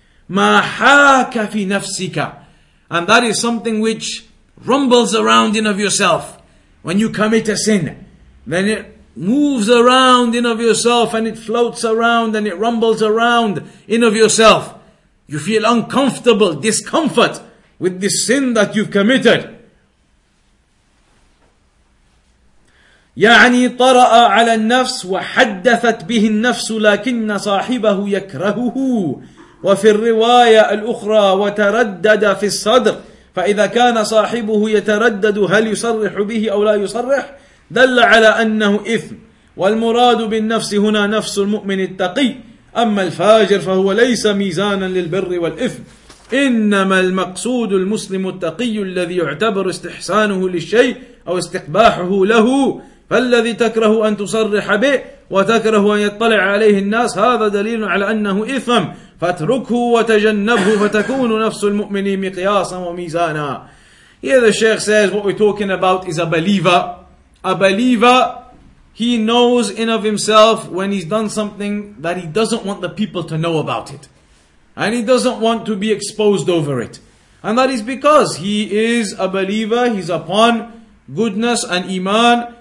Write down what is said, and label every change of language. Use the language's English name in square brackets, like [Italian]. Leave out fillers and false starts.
[Arabic] مَا حَاكَ فِي نَفْسِكَ, [English] and that is something which rumbles around in of yourself when you commit a sin. Then it moves around in of yourself and it floats around and it rumbles around in of yourself. You feel uncomfortable, discomfort with this sin that you've committed. [Arabic] يعني طرأ على النفس وحدثت به النفس لكن صاحبه يكرهه, وفي الرواية الأخرى وتردد في الصدر, فإذا كان صاحبه يتردد هل يصرح به أو لا يصرح, دل على أنه إثم. والمراد بالنفس هنا نفس المؤمن التقي, أما الفاجر فهو ليس ميزانا للبر والإثم, إنما المقصود المسلم التقي الذي يعتبر استحسانه للشيء أو استقباحه له, فالذي تكره أن تصرح به وتكره أن يطلع عليه الناس هذا دليل على أنه إثم, فَاتْرُكْهُ وَتَجَنَّبْهُ فَتَكُونُ نَفْسُ الْمُؤْمِنِ مِقْيَاسًا وَمِيزَانًا. [English] Here the Shaykh says what we're talking about is a believer. A believer, he knows in of himself when he's done something that he doesn't want the people to know about it. And he doesn't want to be exposed over it. And that is because he is a believer, he's upon goodness and iman.